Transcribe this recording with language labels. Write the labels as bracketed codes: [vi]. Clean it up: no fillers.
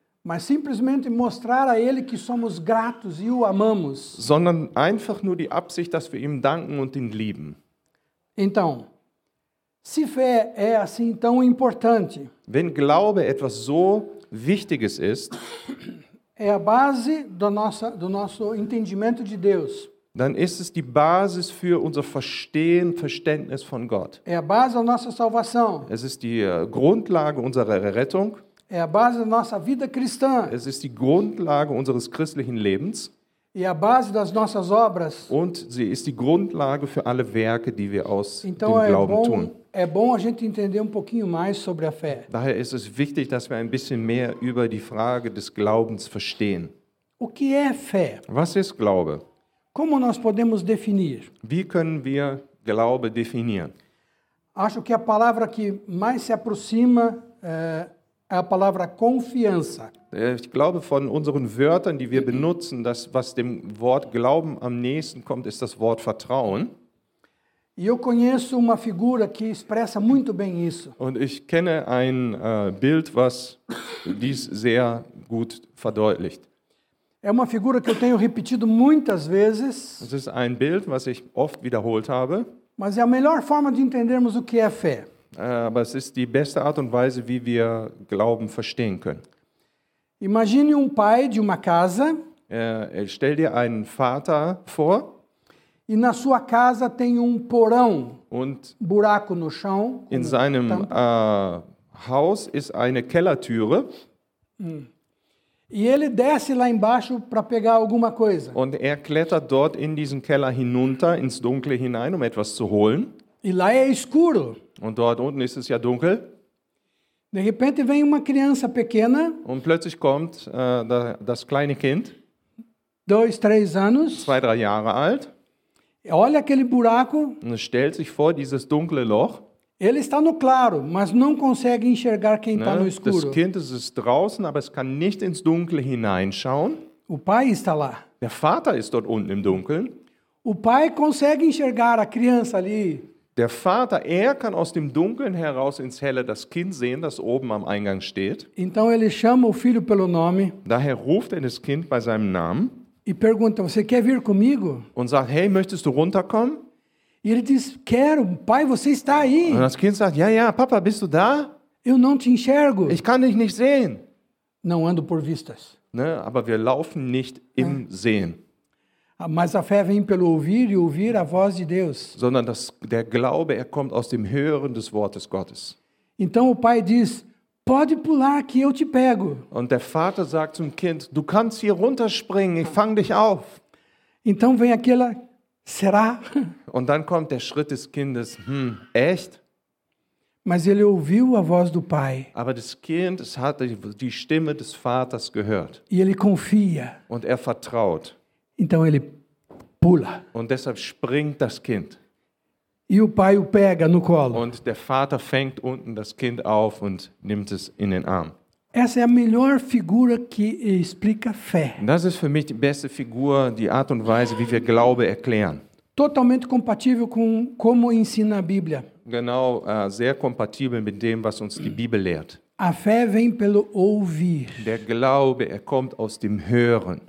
[pt] Mas simplesmente mostrar a Ele que somos gratos e o amamos. [de] Sondern einfach nur die Absicht, dass wir ihm danken und ihn lieben. [pt] Então, se fé é assim tão importante, [de] wenn Glaube etwas so Wichtiges ist, [pt] é a base do nosso entendimento de Deus. [de] Dann ist es die Basis für unser Verstehen, Verständnis von Gott. [pt] É a base da nossa salvação. [de] Es ist die Grundlage unserer Rettung. [pt] É a base da nossa vida cristã. [de] Es ist die Grundlage unseres christlichen Lebens. [pt] E a base das nossas obras. [de] Und sie ist die Grundlage für alle Werke, die wir aus [pt] então [de] dem Glauben [pt] bom, [de] tun. [pt] É bom a gente entender um pouquinho mais sobre a fé. [de] Daher ist es wichtig, dass wir ein bisschen mehr über die Frage des Glaubens verstehen. [pt] O que é fé? [de] Was ist Glaube? [pt] Como nós podemos definir? [de] Wie können wir Glaube definieren? [pt] Acho que a palavra que mais se aproxima é a palavra confiança. [de] Ich glaube, von unseren Wörtern, die wir benutzen, das, was dem Wort Glauben am nächsten kommt, ist das Wort Vertrauen. [pt] E eu conheço uma figura que expressa muito bem isso. [de] Und ich kenne ein Bild, was dies sehr gut verdeutlicht. [pt] É uma figura que eu tenho repetido muitas vezes. [de] Es ist ein Bild, was ich oft wiederholt habe. [pt] Mas é a melhor forma de entendermos o que é fé. [de] Aber es ist die beste Art und Weise, wie wir Glauben verstehen können. [pt] Imagine um pai de uma casa. [de] Stell dir einen Vater vor. [pt] E na sua casa tem porão, [de] und [pt] buraco no chão. [de] In seinem Haus ist eine Kellertüre. [pt] E ele desce lá embaixo para pegar alguma coisa. [de] Und klettert dort in diesen Keller hinunter, ins Dunkle hinein, etwas zu holen. [pt] E lá é escuro. [de] Und dort unten ist es ja dunkel. [pt] De repente vem uma criança pequena. [de] Und plötzlich kommt das kleine Kind. [pt] 2, 3 anos. [de] 2, 3 Jahre alt. [pt] Olha aquele buraco. [de] Und stellt sich vor dieses dunkle Loch. [pt] Ele está no claro, mas não consegue enxergar quem está no escuro. [de] Das Kind ist draußen, aber es kann nicht ins Dunkle hineinschauen. [pt] O pai está lá. [de] Der Vater ist dort unten im Dunkeln. [pt] O pai consegue enxergar a criança ali. [de] Der Vater, kann aus dem Dunkeln heraus ins Helle das Kind sehen, das oben am Eingang steht. [pt] Então ele chama o filho pelo nome. [de] Daher ruft das Kind bei seinem Namen. [pt] E pergunta, você quer vir comigo? [de] Und sagt, hey, möchtest du runterkommen? [pt] E ele diz, quero, pai, você está aí. [de] Und das Kind sagt, ja, Papa, bist du da? [pt] Eu não te enxergo. [de] Ich kann dich nicht sehen. [pt] Não ando por vistas. [de] Aber wir laufen nicht im Sehen. [pt] Mas a fé vem pelo ouvir e ouvir a voz de Deus. [de] Sondern das, der Glaube, kommt aus dem Hören des Wortes Gottes. [pt] Então o pai diz, pode pular que eu te pego. [de] Und der Vater sagt zum Kind, du kannst hier runterspringen, ich fange dich auf. [pt] Então vem aquela, será? [de] Und dann kommt der Schritt des Kindes, echt? [pt] Mas ele ouviu a voz do pai. [de] Aber das Kind, es hat die Stimme des Vaters gehört. [pt] E ele confia. [de] Und vertraut. [pt] Então ele pula. [de] Und deshalb springt das Kind. [pt] E o pai o pega no colo. [de] Und der Vater fängt unten das Kind auf und nimmt es in den Arm. [pt] Essa é a melhor figura que explica fé. [de] Das ist für mich die beste Figur, die Art und Weise, wie wir Glaube erklären. [pt] Totalmente compatível com como ensina a Bíblia. [de] Genau, sehr kompatibel mit dem, was uns die Bibel lehrt. [pt] A fé vem pelo ouvir. [de] Der Glaube, kommt aus dem Hören.